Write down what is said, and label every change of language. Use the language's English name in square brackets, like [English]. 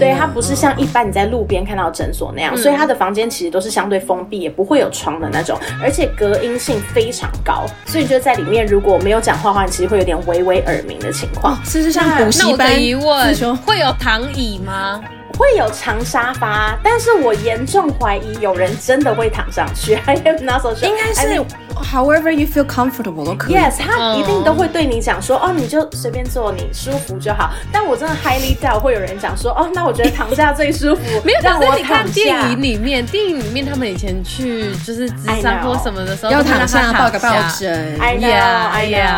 [Chinese] 对，它不是像一般你在路边看到诊所那样，所以它的房间其实都是相对封闭，也不会有窗的那种，而且隔音性非常高，所以就在里面如果没有讲话的话，你其实会有点微微耳鸣的情况，是像补习班。那我的疑问，会有躺椅吗？会有长沙发，但是我严重怀疑有人真的会躺上去。 [English] I am not so sure. [Chinese] 应该是 [English] however you feel comfortable [Chinese] 都可以。 Yes， 他一定都会对你讲说，哦，你就随便坐，你舒服就好。但我真的 [English] highly doubt [Chinese] 会有人讲说，哦，那我觉得躺下最舒服。没有，可是你看电影里面，电影里面他们以前去就是智商或什么的时候，要躺下抱个抱枕。 [English] I know， yeah, I know，